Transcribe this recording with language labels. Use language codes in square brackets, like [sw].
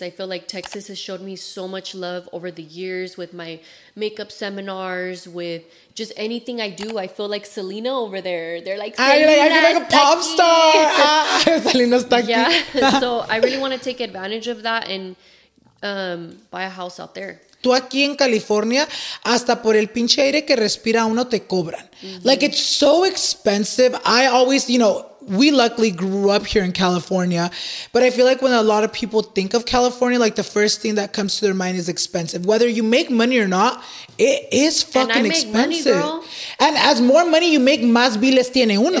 [en] I feel like Texas has showed me so much love over the years with my makeup seminars, with just anything I do. I feel like Selena over there. They're like, Selena, I feel like a pop star. Selena's stuck. Yeah. So I really want to take advantage of that and buy a house out there. [es] Tú aquí en California, hasta por el pinche aire que respira uno te cobran. [en] Mm-hmm. Like, it's so expensive. I always, you know, we luckily grew up here in California, but I feel like when a lot of people think of California, like, the first thing that comes to their mind is expensive. Whether you make money or not, it is fucking and I expensive. Make money, girl. And as more money you make, [es] más biles tiene uno.